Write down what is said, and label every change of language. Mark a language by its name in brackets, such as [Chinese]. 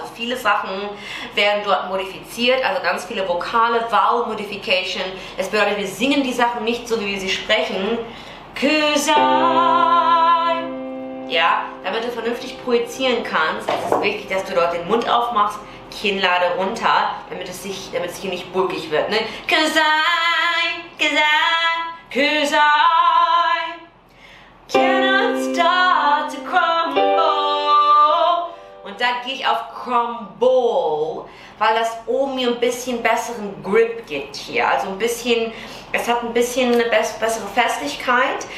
[German] Also viele Sachen werden dort modifiziert, also ganz viele Vokale, Vowel Modification. Es bedeutet, wir singen die Sachen nicht so, wie wir sie sprechen. [English] Cause I. [German] Ja, damit du vernünftig projizieren kannst, ist es wichtig, dass du dort den Mund aufmachst, Kinnlade runter, damit es hier nicht bulkig wird. Ne? [English] Cause I, cause I, cause I cannot start to crumble. [German] Und da gehe ich auf crumble, weil das O mir ein bisschen besseren Grip gibt hier. Also ein bisschen, es hat ein bisschen eine bessere Festigkeit.